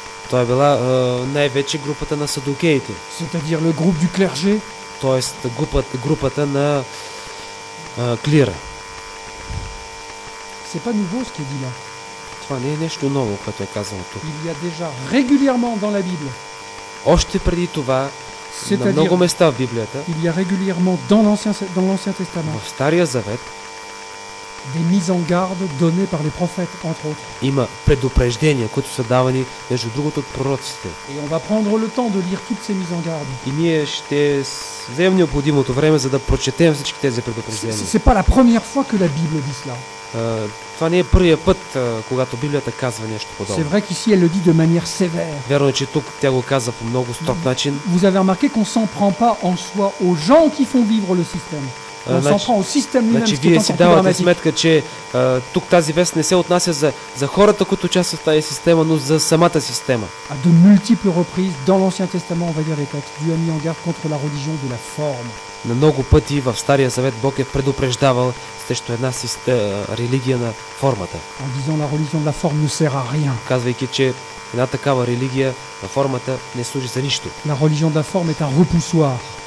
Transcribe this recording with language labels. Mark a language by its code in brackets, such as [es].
[bg] Това била най-вече групата на садукеите. [fr] C'est-à-dire le groupe du clergé. [bg] Тоест групата на клира. [fr] C'est pas nouveau ce qui est dit là. [bg] Това не е нещо ново, което е казано тук. [fr] Il y a déjà régulièrement dans la Bible. [bg] Още преди това. [fr] C'est-à-dire, [bg] на много места в Библията, [fr] il y a régulièrement dans l'Ancien Testament, [bg] в Стария Завет, [fr] des mises en garde données par les prophètes, entre autres. [bg] Има предупреждения, които са давани между другото от пророците. [fr] Et on va prendre le temps de lire toutes ces mises en garde. [bg] И ние ще вземем необходимото време, за да прочетем всички тези предупреждения. [fr] C'est pas la première fois que la Bible dit cela. [bg] Това не е първия път, когато Библията казва нещо подобно. [fr] C'est vrai qu'ici elle le dit de manière sévère. [bg] Вярно, че тук тя го казва по много строг начин. [fr] Vous avez remarqué qu'on s'en prend pas en soi aux gens qui font vivre le système. On s'en prend au système lui-même. [bg] Значи вие си давате сметка, че тук тази вест не се отнася за хората, които участват в тази система, но за самата система. [fr] À de multiples reprises dans l'Ancien Testament, on va dire les textes, Dieu a mis en garde contre la religion de la forme. [bg] На много пъти в Стария Завет Бог е предупреждавал срещу една религия на формата. [fr] En disant la religion de la forme ne sert à rien. [bg] Казвайки, че една такава религия на формата не служи за нищо. [fr] La religion de la forme est un repoussoir.